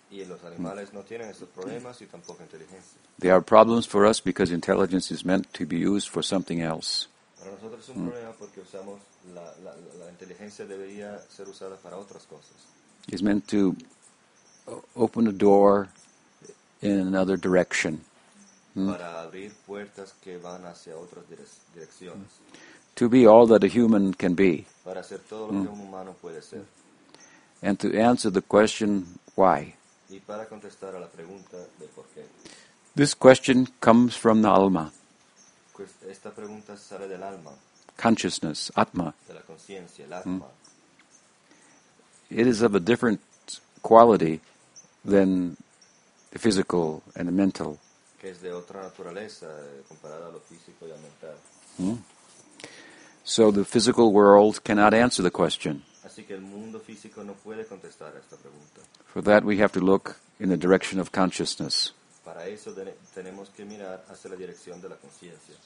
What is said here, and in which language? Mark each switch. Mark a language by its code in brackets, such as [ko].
[es] Y los animales no tienen estos problemas y tampoco inteligencia. [en] They are problems for us because intelligence is meant to be used for something else. [es] Para nosotros es un problema porque usamos la inteligencia debería ser usada para otras cosas. [en] It's meant to open a door in another direction. [es] Para abrir puertas que van hacia otras direcciones. [en] To be all that a human can be. [es] Para ser todo lo que un humano puede ser. [en] And to answer the question, why? [es] Y para contestar a la pregunta de por qué. [en] This question comes from the alma. [es] Pues esta pregunta sale del alma. [en] Consciousness, atma. [es] De la conciencia, el atma. [en] It is of a different quality than the physical and the mental. [es] Que es de otra naturaleza comparada a lo físico y al mental. [en] So the physical world cannot answer the question. [es] Así que el mundo físico no puede contestar esta pregunta. [en] For that we have to look in the direction of consciousness. [es] Para eso tenemos que mirar hacia la dirección de la conciencia.